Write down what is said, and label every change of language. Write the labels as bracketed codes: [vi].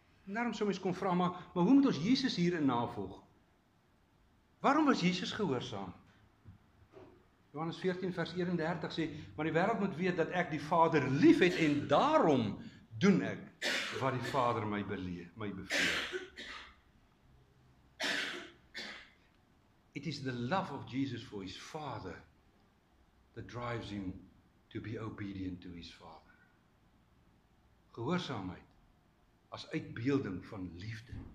[af] En daarom sou mens kon vra, maar hoe moet ons Jesus hierin navolg? Waarom was Jesus gehoorsaam? Johannes 14 vers 31 sê, maar die wêreld moet weet dat ek die Vader lief het en daarom doen ek wat die Vader my beveel. [en] It is the love of Jesus for his Father that drives him to be obedient to his Father. [af] Gehoorsaamheid as uitbeelding van liefde.